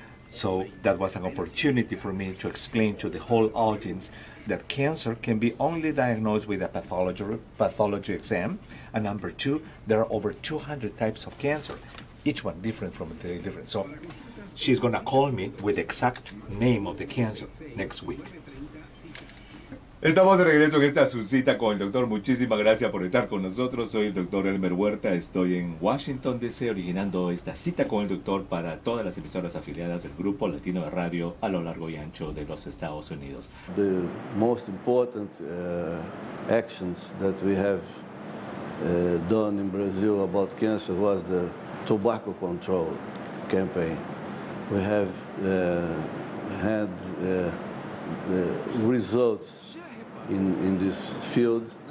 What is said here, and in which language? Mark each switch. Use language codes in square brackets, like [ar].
[en] So that was an opportunity for me to explain to the whole audience that cancer can be only diagnosed with a pathology exam. And number two, there are over 200 types of cancer, each one different from the different. So she's gonna call me with the exact name of the cancer next week. [es] Estamos de regreso en esta su cita con el doctor. Muchísimas gracias por estar con nosotros. Soy el doctor Elmer Huerta. Estoy en Washington DC originando esta cita con el doctor para todas las emisoras afiliadas del Grupo Latino de Radio a lo largo y ancho de los Estados Unidos. [en] The most important actions that we have done in Brazil about cancer was the tobacco control campaign. We have had the results in this field.